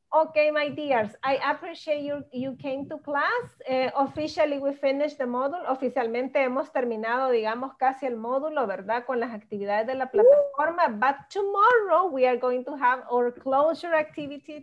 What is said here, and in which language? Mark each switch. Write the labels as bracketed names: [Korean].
[English] Ok, my dears, I appreciate you came to class. Officially, we finished the module. [Spanish] Oficialmente hemos terminado, digamos, casi el módulo, ¿verdad? Con las actividades de la plataforma. [English] But tomorrow, we are going to have our closure activity.